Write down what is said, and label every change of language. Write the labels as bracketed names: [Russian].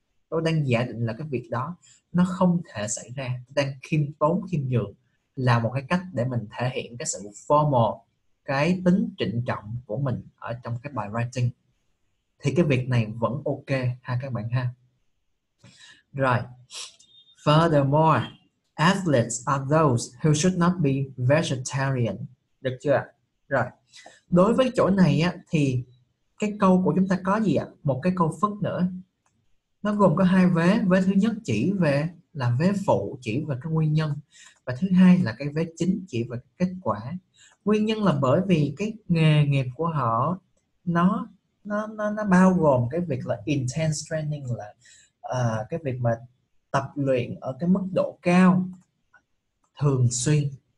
[Vietnamese] Tôi đang giả định là cái việc đó nó không thể xảy ra. Tôi đang khiêm tốn, khiêm nhường là một cái cách để mình thể hiện cái sự formal, cái tính trịnh trọng của mình ở trong cái bài writing. Thì cái việc này vẫn ok ha các bạn ha. Rồi. [English] Furthermore, athletes are those who should not be vegetarian. [Vietnamese] Được chưa? Rồi. Đối với chỗ này á, thì cái câu của chúng ta có gì ạ? Một cái câu phức nữa. Nó gồm có hai vế. Vế thứ nhất chỉ về là vế phụ, chỉ về cái nguyên nhân. Và thứ hai là cái vế chính, chỉ về kết quả. Nguyên nhân là bởi vì cái nghề nghiệp của họ nó bao gồm cái việc là [English] intense training, [Vietnamese] là cái việc mà tập luyện ở cái mức độ cao thường xuyên.